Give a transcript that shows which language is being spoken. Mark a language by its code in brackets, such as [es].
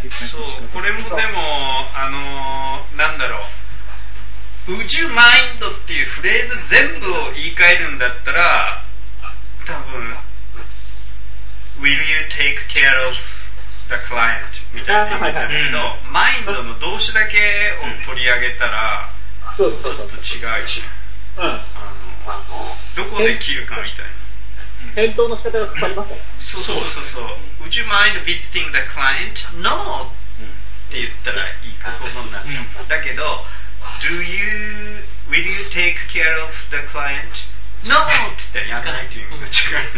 [ja] そう、これもでもなんだろう、宇宙マインドっていうフレーズ全部を言い換えるんだったら多分 [en] Will you take care of [ja] クライアントみたいな意味だけど、はいはい、マインドの動詞だけを取り上げたら、うん、ちょっと違うし、うん、どこで切るかみたいな返答の仕方が変わりますよ、うん、そうそうそう、うん、 [en] Would you mind visiting the client? No、 [ja] うん、って言ったらいいことになるじゃん、うん、だけど [en] Do you, Will you take care of the client? No! [ja] って言ったらやらないという意味が違う、